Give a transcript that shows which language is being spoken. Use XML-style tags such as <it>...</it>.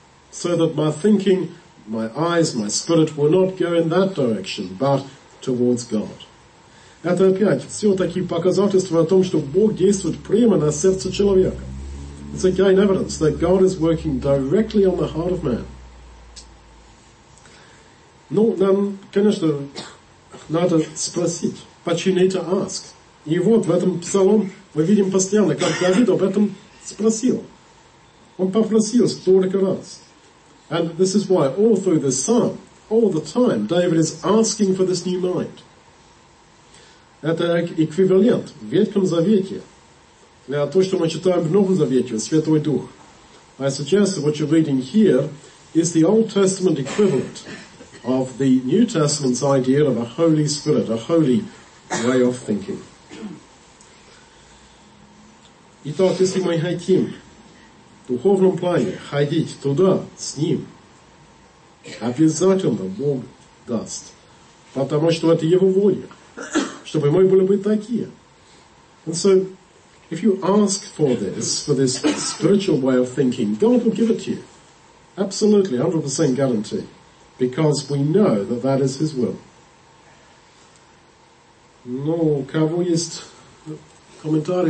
<en>So that my thinking, my eyes, my spirit will not go in that direction, but towards God.</en> <ru>Это опять все такие показательства о том, что Бог действует прямо на сердце человека.</ru> <en>It's again evidence that God is working directly on the heart of man.</en> <ru>Ну, нам, конечно, надо спросить, почему это ask. И вот в этом псалом мы видим постоянно, как Давид об этом спросил. Он попросил столько раз.</ru> <en>And this is why all through this psalm, all the time, David is asking for this new mind.</en> <ru>Это эквивалент в Ветхом Завете для того, что мы читаем в Новом Завете, Святой Дух.</ru> <en>I suggest that what you're reading here is the Old Testament equivalent of the New Testament's idea of a Holy Spirit, a holy way of thinking.</en> <ru>Итак, если мы хотим в духовном плане ходить туда, с Ним, обязательно Бог даст, потому что это Его воля. Чтобы мы были бы такие.</ru> <en>And so, if you ask for this spiritual way of thinking, God will give it to you. Absolutely, 100% guarantee. Because we know that that is His will.</en> <ru>Ну, у кого есть комментарий?</ru>